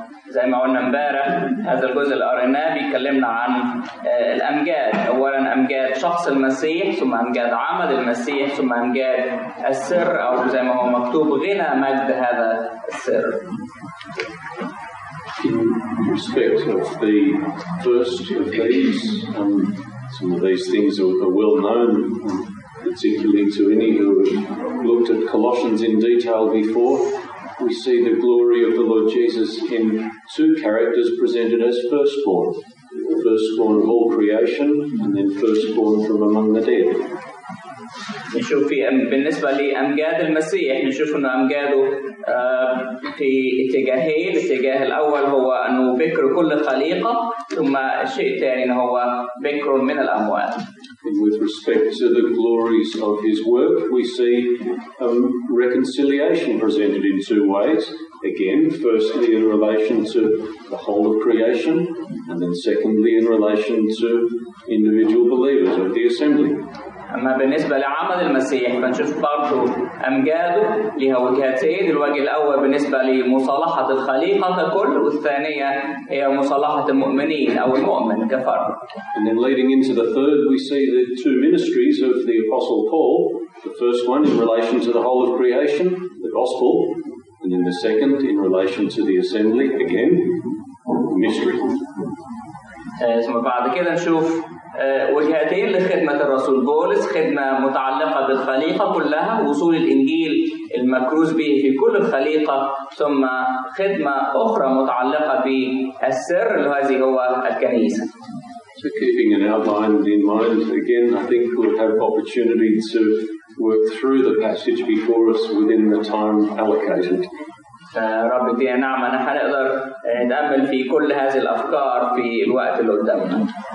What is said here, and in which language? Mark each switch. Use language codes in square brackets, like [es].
[ar] زي ما قلنا امبارح هذا الجزء اللي قريناه بيتكلمنا عن الامجاد اولا امجاد شخص المسيح ثم امجاد عمل المسيح ثم امجاد السر او زي ما هو مكتوب غنى مجد هذا السر. [en] In respect of the first of these, some of these things are well known, particularly to any who have looked at Colossians in detail before. We see the glory of the Lord Jesus in two characters presented as firstborn: the firstborn of all creation, and then firstborn from among the dead. [ar] نشوف في بالنسبة لأمجاد المسيح نشوف إنه أمجاده في اتجاهين. الاتجاه الأول هو أنه بكر كل خليقة، ثم الشيء الثاني إنه هو بكر من الأموات. [en] With respect to the glories of his work, we see reconciliation presented in two ways. Again, firstly in relation to the whole of creation, and then secondly in relation to individual believers of the assembly. [ar] أما بالنسبة لعمل المسيح فنشوف برضه أمجاده لها وجهتين، الوجه الأول بالنسبة لمصالحة الخليقة ككل، والثانية هي مصالحة المؤمنين أو المؤمن كفرد. [en] And then leading into the third, we see the two ministries of the Apostle Paul. The first one in relation to the whole of creation, the gospel, and then the second in relation to the assembly, again, the mystery. [ar] ثم بعد كده نشوف وجهتين لخدمة الرسول بولس، خدمة متعلقة بالخليقة كلها، وصول الإنجيل المكروز به في كل الخليقة، ثم خدمة أخرى متعلقة بالسر الذي هو الكنيسة. [en] So keeping an outline in mind, again, I think we'll have opportunity to work through the passage before us within the time allocated. [ar] ربي يا نعمة نحن نقدر نتأمل في كل هذه الأفكار في الوقت اللي قدامنا.